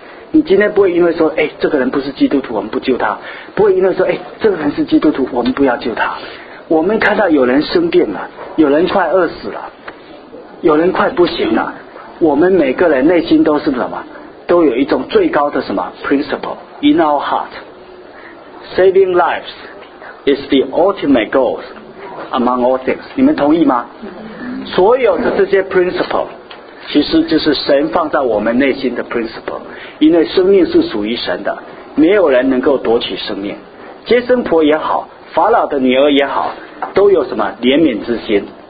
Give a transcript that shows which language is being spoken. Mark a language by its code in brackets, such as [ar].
[zh] 你今天不会因为说，哎，这个人不是基督徒，我们不救他；不会因为说，哎，这个人是基督徒，我们不要救他。我们看到有人生病了，有人快饿死了，有人快不行了，我们每个人内心都是什么？都有一种最高的什么 [en] principle in our heart。 Saving lives is the ultimate goal among all things。 [zh] 你们同意吗？所有的这些 principle 其实就是神放在我们内心的 principle， 因为生命是属于神的，没有人能够夺取生命。接生婆也好，法老的女儿也好，都有什么怜悯之心。